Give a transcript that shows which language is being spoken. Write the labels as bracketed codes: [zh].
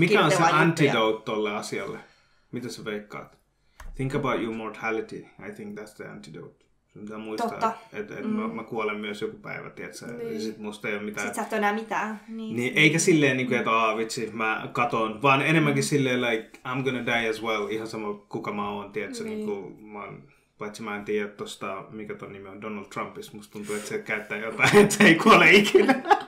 [fi] Mikä on se antidote tolle asialle? Mitä sä veikkaat? [en] Think about your mortality. I think that's the antidote. [fi] Sun pitää muistaa, että mä kuolen myös joku päivä, tiedätkö? Niin. Sit musta ei ole mitään. Sit sä et ole enää mitään. Niin. Eikä silleen, niin kuin, että aah vitsi, mä katon. Vaan enemmänkin silleen, [en] like, I'm gonna die as well. [fi] Ihan sama, kuka mä oon, tiedätkö? Niin. Paitsi mä en tiedä tosta, mikä ton nimi on, Donald Trumpis. Musta tuntuu, että se käyttää jotain, että se ei kuole ikinä.